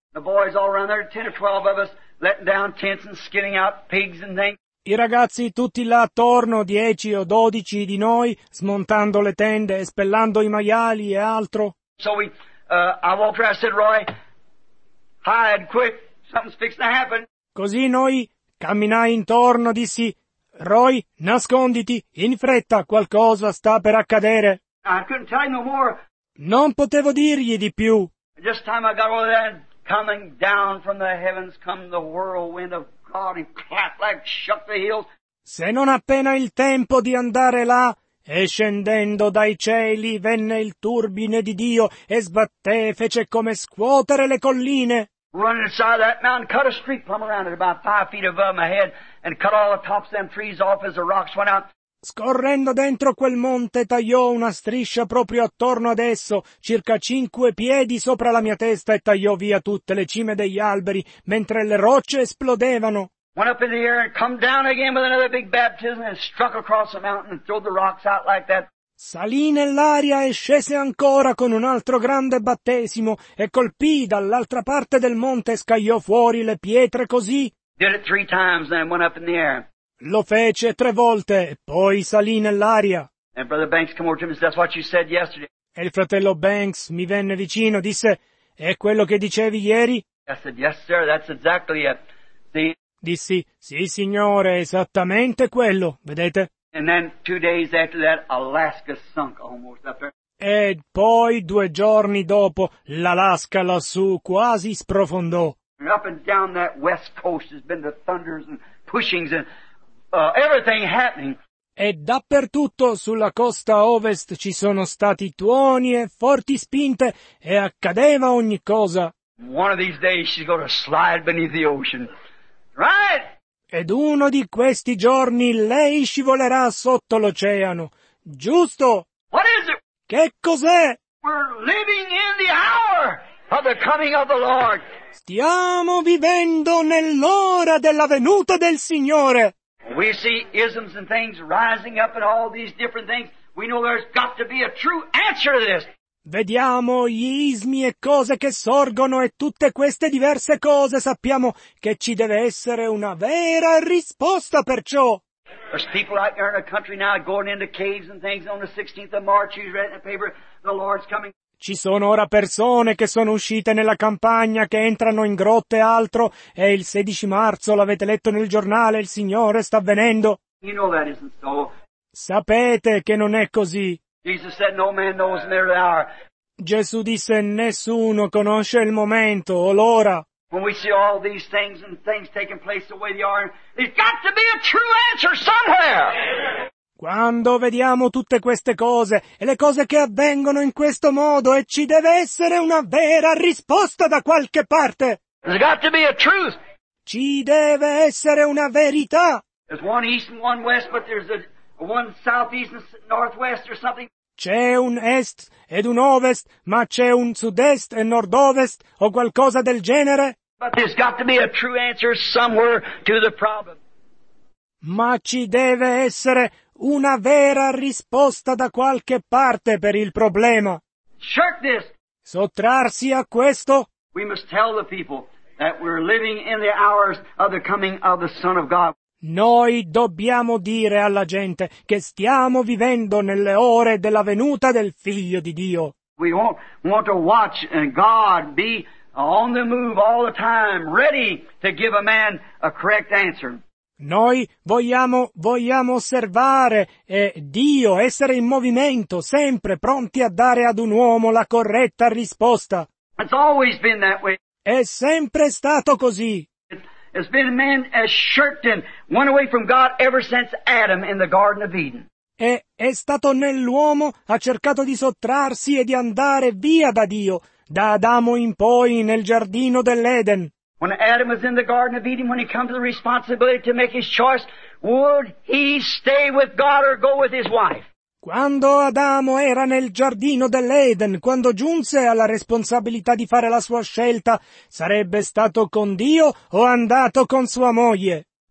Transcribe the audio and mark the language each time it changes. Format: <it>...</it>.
<en>The boys all around there, 10 or 12 of us, letting down tents and skinning out pigs and things.</en> <it>I ragazzi tutti là attorno, 10 o 12 di noi, smontando le tende e spellando i maiali e altro.</it> <en>So we, I walked around and said, Roy, hide quick, something's fixing to happen.</en> <it>Così noi camminai intorno, dissi, Roy, nasconditi, in fretta, qualcosa sta per accadere.</it> <en>I couldn't tell you no more.</en> <it>Non potevo dirgli di più.</it> <en>Just time I got over there, and coming down from the heavens come the whirlwind of God and clap like shook the hills.</en> <it>Se non appena il tempo di andare là, e scendendo dai cieli venne il turbine di Dio e sbatté e fece come scuotere le colline.</it> <en>Run inside that mountain, cut a street plumb around it about 5 feet above my head, and cut all the tops of them trees off as the rocks went out.</en> <it>Scorrendo dentro quel monte, tagliò una striscia proprio attorno ad esso, circa 5 piedi sopra la mia testa, e tagliò via tutte le cime degli alberi, mentre le rocce esplodevano.</it> <en>Went up in the air and come down again with another big baptism and struck across the mountain and threw the rocks out like that.</en> <it>Salì nell'aria e scese ancora con un altro grande battesimo e colpì dall'altra parte del monte e scagliò fuori le pietre così.</it> <en>Did it 3 times and went up in the air.</en> <it>Lo fece 3 volte e poi salì nell'aria.</it> <en>And Brother Banks came over to me and said, "That's what you said yesterday."</en> <it>E il fratello Banks mi venne vicino e disse, "È quello che dicevi ieri?"</it> <en>I said, "Yes, sir, that's exactly it." See?</en> <it>Dissi, "Sì, signore, esattamente quello, vedete?"</it> <en>And then 2 days after that, Alaska sunk almost up there.</en> <it>E poi 2 giorni dopo, l'Alaska lassù quasi sprofondò.</it> <en>And up and down that west coast has been the thunders and pushings and everything happening.</en> <it>E dappertutto sulla costa ovest ci sono stati tuoni e forti spinte e accadeva ogni cosa.</it> <en>One of these days she's going to slide beneath the ocean. Right?</en> <it>Ed uno di questi giorni lei scivolerà sotto l'oceano. Giusto?</it> <en>What is it?</en> <it>Che cos'è?</it> <en>We're living in the hour of the coming of the Lord.</en> <it>Stiamo vivendo nell'ora della venuta del Signore.</it> <en>We see isms and things rising up and all these different things. We know there's got to be a true answer to this.</en> <it>Vediamo gli ismi e cose che sorgono e tutte queste diverse cose. Sappiamo che ci deve essere una vera risposta per ciò.</it> <en>There's people out there in the country now going into caves and things on the 16th of March. He's reading the paper, the Lord's coming.</en> <it>Ci sono ora persone che sono uscite nella campagna, che entrano in grotte e altro, e il 16 marzo, l'avete letto nel giornale, il Signore sta venendo.</it> <en>You know that isn't so.</en> <it>Sapete che non è così.</it> <en>Jesus said, no man knows near the hour.</en> <it>Gesù disse, nessuno conosce il momento o l'ora.</it> <en>When we see all these things and things taking place the way they are, there's got to be a true answer somewhere.</en> <it>Quando vediamo tutte queste cose e le cose che avvengono in questo modo e ci deve essere una vera risposta da qualche parte.</it> <en>There's got to be a truth.</en> <it>Ci deve essere una verità.</it> <en>There's one east and one west, but there's a one southeast and northwest or something.</en> <it>C'è un est ed un ovest, ma c'è un sud-est e nord-ovest o qualcosa del genere.</it> <en>But there's got to be a true answer somewhere to the problem.</en> <it>Ma ci deve essere una vera risposta da qualche parte per il problema.</it> <en>Shirk this.</en> <it>Sottrarsi a questo.</it> <en>We must tell the people that we're living in the hours of the coming of the Son of God.</en> <it>Noi dobbiamo dire alla gente che stiamo vivendo nelle ore della venuta del Figlio di Dio.</it> <en>We want to watch and God be on the move all the time, ready to give a man a correct answer.</en> <it>Noi vogliamo osservare e Dio essere in movimento, sempre pronti a dare ad un uomo la corretta risposta.</it> <en>It's always been that way.</en> <it>È sempre stato così.</it> <en>It's been a man as shirked and went away from God ever since Adam in the Garden of Eden.</en> <it>È stato nell'uomo, ha cercato di sottrarsi e di andare via da Dio, da Adamo in poi nel giardino dell'Eden.</it> <en>When Adam was in the Garden of Eden, when he came to the responsibility to make his choice, would he stay with God or go with his wife?</en> <it>Quando Adamo era nel giardino dell'Eden, quando giunse alla responsabilità di fare la sua scelta, sarebbe stato con Dio o andato con sua moglie?</it>